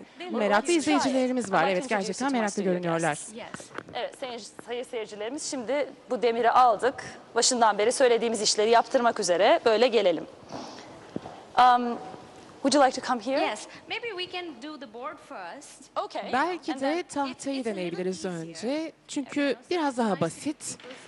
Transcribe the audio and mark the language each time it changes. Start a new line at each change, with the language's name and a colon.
Turkish: Meraklı izleyicilerimiz var. Evet, gerçekten meraklı görünüyorlar. Evet, sayın seyircilerimiz, şimdi bu demiri aldık. Başından beri söylediğimiz işleri yaptırmak üzere böyle gelelim.
English: Would you like to come here? Yes. Maybe we can do the board first. Okay.
Turkish: Belki de tahtayı deneyebiliriz önce. Çünkü biraz daha basit.